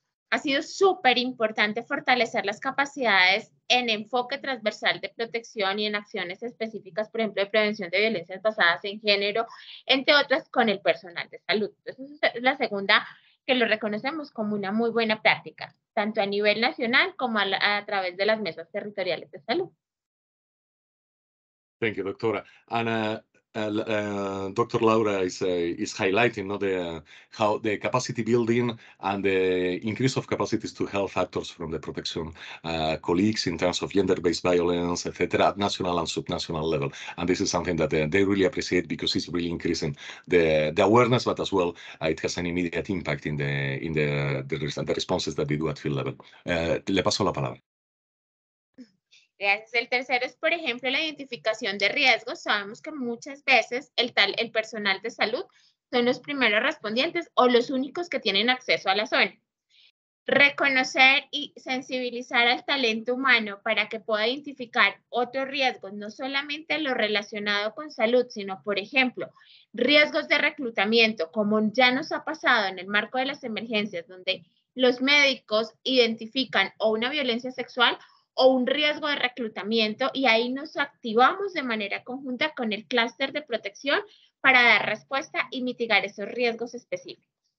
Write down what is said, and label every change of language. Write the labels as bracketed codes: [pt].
[es] Ha sido súper importante fortalecer las capacidades en enfoque transversal de protección y en acciones específicas, por ejemplo, de prevención de violencias basadas en género, entre otras, con el personal de salud. Entonces, esa es la segunda que lo reconocemos como una muy buena práctica, tanto a nivel nacional como a través de las mesas territoriales de salud. [en] Thank you, doctora. Ana. Dr. Laura is highlighting, no, how the capacity building and the increase of capacities to help actors from the protection colleagues in terms of gender-based violence, etc., at national and subnational level. And this is something that they really appreciate because it's really increasing the awareness, but as well it has an immediate impact in the responses that they do at field level. [es] Le paso la palabra. El tercero es, por ejemplo, la identificación de riesgos. Sabemos que muchas veces el personal de salud son los primeros respondientes o los únicos que tienen acceso a la zona. Reconocer y sensibilizar al talento humano para que pueda identificar otros riesgos, no solamente lo relacionado con salud, sino, por ejemplo, riesgos de reclutamiento, como ya nos ha pasado en el marco de las emergencias, donde los médicos identifican o una violencia sexual o un riesgo de reclutamiento, y ahí nos activamos de manera conjunta con el clúster de protección para dar respuesta y mitigar esos riesgos específicos.